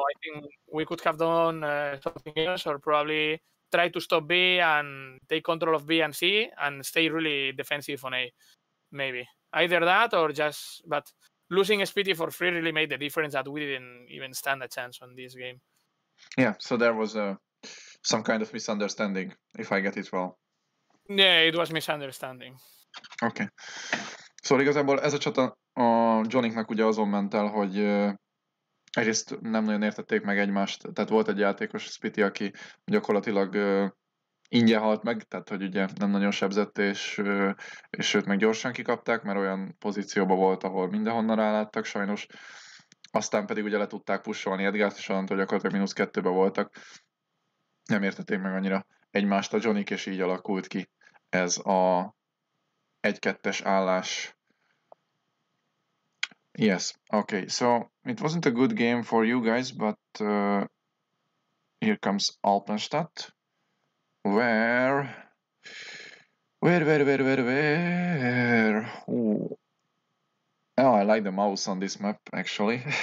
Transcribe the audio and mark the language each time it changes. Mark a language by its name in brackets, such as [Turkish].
[English] I think we could have done something else, or probably try to stop B and take control of B and C and stay really defensive on A, maybe. Either that or just... But losing Speedy for free really made the difference that we didn't even stand a chance on this game. Yeah, so there was some kind of misunderstanding, if I get it well. Yeah, it was misunderstanding. Okay. [Hungarian] Szóval igazából ez a csata a Johnnynek ugye azon ment el, hogy egyrészt nem nagyon értették meg egymást, tehát volt egy játékos, Spiti, aki gyakorlatilag ingyen halt meg, tehát hogy ugye nem nagyon sebzett, és őt meg gyorsan kikapták, mert olyan pozícióban volt, ahol mindenhonnan ráláttak sajnos, aztán pedig ugye le tudták pusholni Edgárt, és onnantól gyakorlatilag -2-ben voltak. Nem értették meg annyira egymást a Johnnyk, és így alakult ki ez a 1-2-es állás. [English] Yes, okay, so it wasn't a good game for you guys, but here comes Alpenstadt, where, ooh. Oh, I like the mouse on this map, actually,